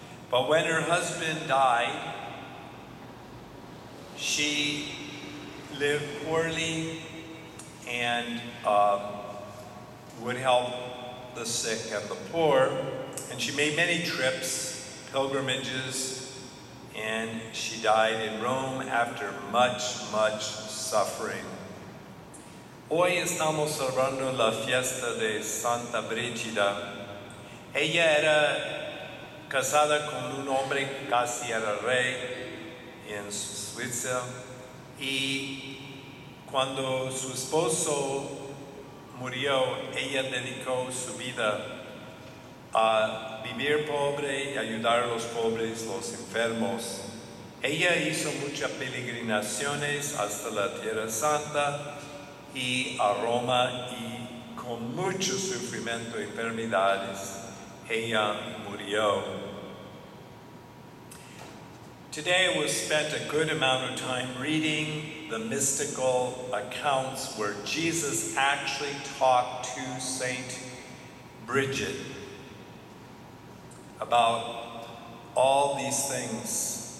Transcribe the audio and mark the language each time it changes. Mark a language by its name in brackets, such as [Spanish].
[English] But when her husband died, she lived poorly and would help the sick and the poor. And she made many trips, pilgrimages, and she died in Rome after much, much suffering. [Spanish] Hoy estamos celebrando la fiesta de Santa Brígida. Ella era casada con un hombre que casi era rey en Suiza. Y cuando su esposo murió, ella dedicó su vida a vivir pobre y ayudar a los pobres, los enfermos. Ella hizo muchas peregrinaciones hasta la Tierra Santa y a Roma, y con mucho sufrimiento y enfermedades, ella murió. [English] Today we spent a good amount of time reading the mystical accounts where Jesus actually talked to Saint Brigid about all these things.